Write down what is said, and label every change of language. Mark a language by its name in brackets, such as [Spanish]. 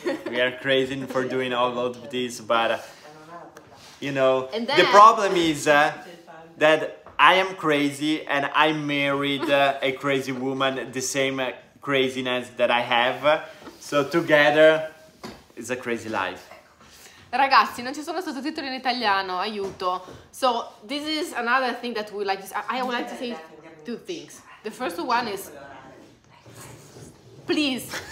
[English] We are crazy for doing all of this, but you know, then, the problem is that I am crazy and I married a crazy woman, the same craziness that I have. So together it's a crazy life. [Italian] Ragazzi, non ci sono sottotitoli in italiano, aiuto. [English] So this is another thing that we like. I would like to say two things. The first one is, please.